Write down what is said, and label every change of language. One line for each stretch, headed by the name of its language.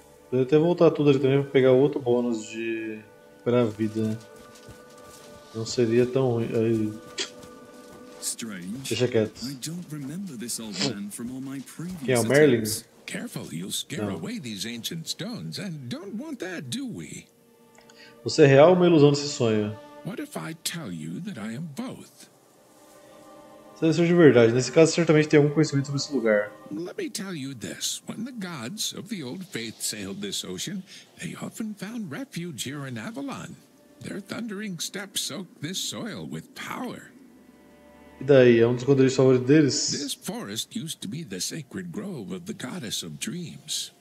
Portuguese: Poderia até voltar tudo ali também para pegar outro bônus de pra vida. Não seria tão ruim.
English: Strange.
Portuguese: Deixa quieto.
English: I don't remember this old man from all my previous.
Portuguese: Quem é o Merlin?
English: Careful, you'll scare away these ancient stones, and don't want that, do we?
Portuguese: Você é real ou uma ilusão desse sonho?
English: What if I tell you that I am both?
Portuguese: Você deve ser de verdade. Nesse caso, certamente tem algum conhecimento sobre esse lugar.
English: Let me tell you this. When the gods of the old faith sailed this ocean, they often found refuge here in Avalon. Their thundering steps soaked this soil with power.
Portuguese: E daí? É um dos esconderijos favoritos deles?
English: This forest used to be the sacred grove of the goddess of dreams.